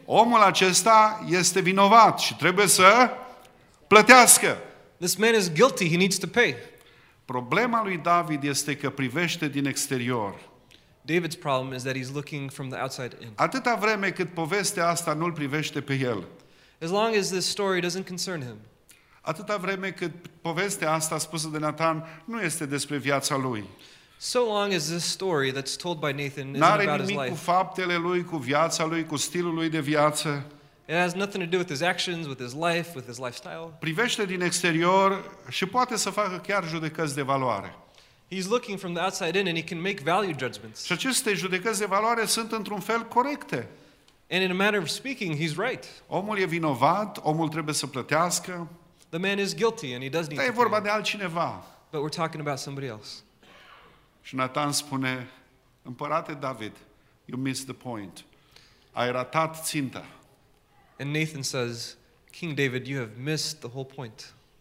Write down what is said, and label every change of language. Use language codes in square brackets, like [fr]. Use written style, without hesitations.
[ro] Omul acesta este vinovat și trebuie să plătească. [en] This man is guilty, he needs to pay. [ro] Problema lui David este că privește din exterior. [en] David's problem is that he's looking from the outside in. [ro] Atâta vreme cât povestea asta nu-l privește pe el. [en] As long as this story doesn't concern him. [ro] Atâta vreme cât povestea asta spusă de Nathan nu este despre viața lui. [en] So long as this story that's told by Nathan isn't about his life. [ro] N-are nimic cu faptele lui, cu viața lui, cu stilul lui de viață. [en] It has nothing to do with his actions, with his life, with his lifestyle. [ro] Privește din exterior și poate să facă chiar judecăți de valoare. [en] He's looking from the outside in and he can make value judgments. [ro] Și aceste judecăți de valoare sunt într-un fel corecte. [en] And in a matter of speaking, he's right. [ro] Omul e vinovat, omul trebuie să plătească. [en] The man is guilty and he does need to pay. [ro] Dar e vorba de altcineva. [en] But we're talking about somebody else. [ro] Și Nathan spune, împărate David, [en] you missed the point. [ro] Ai ratat ținta. [en] And Nathan says, King David, you have missed the whole point.